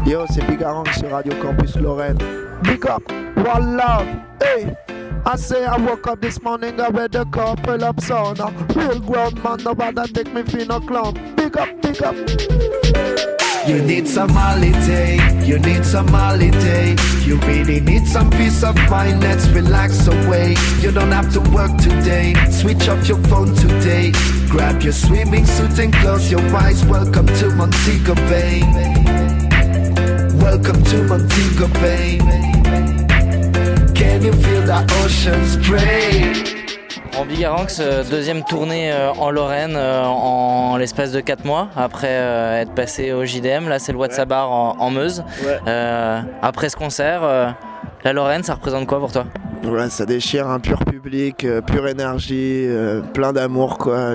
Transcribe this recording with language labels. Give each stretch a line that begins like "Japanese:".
French: Yo, c'est Bigarang sur Radio Campus Lorraine.
English: Big up, one love, hey. I say I woke up this morning, I wear the couple up sauna. Real grown man, nobody take me for no clown. Big up, big up. You need some holiday, you need some holiday. You really need some peace of mind, let's relax away. You don't have to work today, switch off your phone today. Grab your swimming suit and close your eyes. Welcome to Montego Bay. Welcome to Montego Bay. Can you feel the ocean spray?
French: En Bigaranx, deuxième tournée en Lorraine en l'espace de 4 mois après être passé au JDM. Là, c'est le Watsabar en Meuse. Ouais. Après ce concert, la Lorraine, ça représente quoi pour toi? Ouais, ça déchire, un pur public, pure énergie, plein d'amour, quoi.